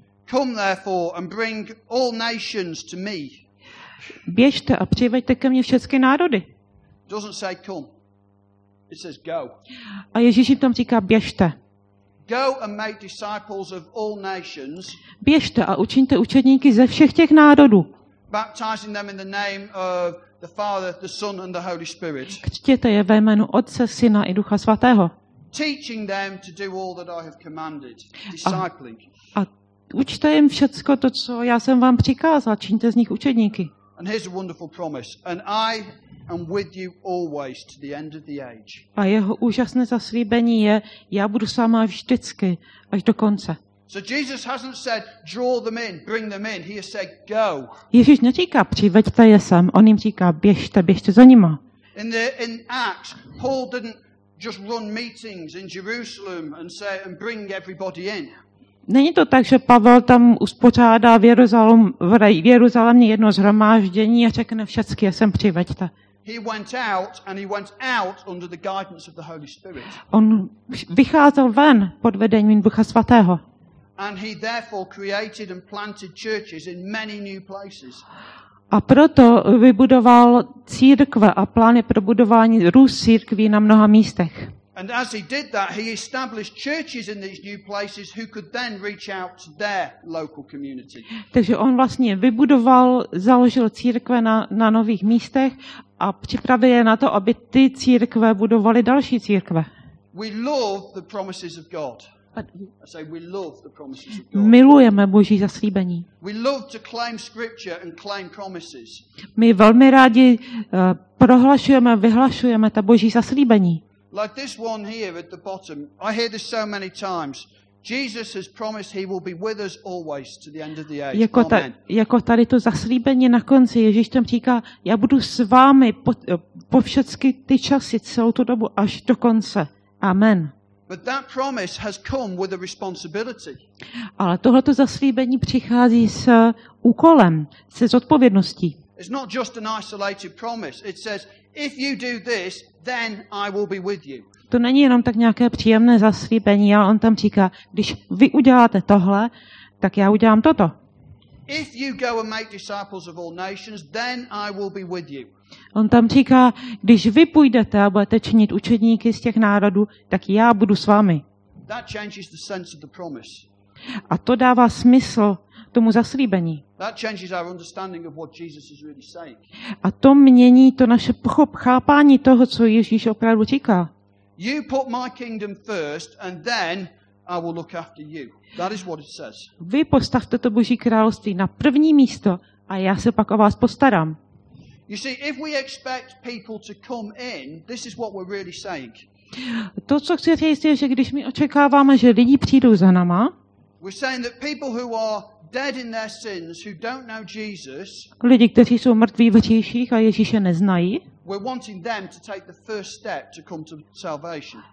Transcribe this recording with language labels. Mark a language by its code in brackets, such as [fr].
[en] Come therefore and bring all nations to me. [cs] Běžte a přiveďte ke mně všechny národy. [en] Doesn't say come. It says go. [cs] A Ježíš jim tam říká běžte. [en] Go and make disciples of all nations. [cs] Běžte a učiňte učedníky ze všech těch národů. [en] Baptizing them in the name of the Father, the Son and the Holy Spirit. [cs] Křtěte je ve jménu Otce, Syna i Ducha Svatého. [en] Teaching them to do all that I have commanded. Discipling. [cs] A učte jim všecko to, co já jsem vám přikázal, čiňte z nich učedníky. [en] And here's a wonderful promise. And I am with you always to the end of the age. [cs] A jeho úžasné zaslíbení je, já budu s váma vždycky až do konce. [en] So Jesus hasn't said draw them in, bring them in. He has said go. [cs] Ježíš neříká přiveďte je sem, on jim říká běžte za nima. [en] In Acts, Paul didn't just run meetings in Jerusalem and say and bring everybody in. [cs] Není to tak, že Pavel tam uspořádá v Jeruzalémě jedno zhromáždění a řekne všechny, já sem přiveďte. [en] He went out and he went out under the guidance of the Holy Spirit. [cs] On vycházel ven pod vedením Ducha Svatého. [en] And he therefore created and planted churches in many new places. [cs] A proto vybudoval církve a plány pro budování růst církví na mnoha místech. [en] And as he did that, he established churches in these new places who could then reach out to their local community. [cs] Takže on vlastně vybudoval, založil církve na nových místech a připravil je na to, aby ty církve budovaly další církve. [en] We love the promises of God. I say we love the promises of God. [cs] Milujeme Boží zaslíbení. [en] We love to claim scripture and claim promises. [cs] My velmi rádi prohlašujeme, vyhlašujeme ta Boží zaslíbení. [en] Like this one here at the bottom. I hear this so many times. Jesus has promised he will be with us always to the end of the age. [cs] Jako, ta, jako tady to zaslíbení na konci, Ježíš tam říká, já budu s vámi po všechny ty časy, celou tu dobu až do konce. [en] Amen. But that promise has come with a responsibility. [cs] Ale tohleto zaslíbení přichází s úkolem, se zodpovědností. [en] It's not just an isolated promise. It says, if you do this, then I will be with you. [cs] To není jenom tak nějaké příjemné zaslíbení, ale on tam říká, když vy uděláte tohle, tak já udělám toto. [en] If you go and make disciples of all nations, then I will be with you. [cs] On tam říká, když vy půjdete a budete činit učedníky z těch národů, tak já budu s vámi. [en] That changes the sense of the promise. [cs] A to dává smysl tomu zaslíbení. [en] That changes our understanding of what Jesus is really saying. [cs] A to mění to naše chápání toho, co Ježíš opravdu říká. [en] You put my kingdom first and then I will look after you. That is what it says. [cs] Vy postavte to Boží království na první místo a já se pak o vás postarám. [en] You see, if we expect people to come in, this is what we're really saying. [cs] To, co chci říct, je, že když my očekáváme, že lidi přijdou za náma, [en] we're saying that people who are dead in their sins, who don't know Jesus, [cs] lidi, kteří jsou mrtví v hříších a Ježíše neznají, [en] we're wanting them to take the first step to come to salvation.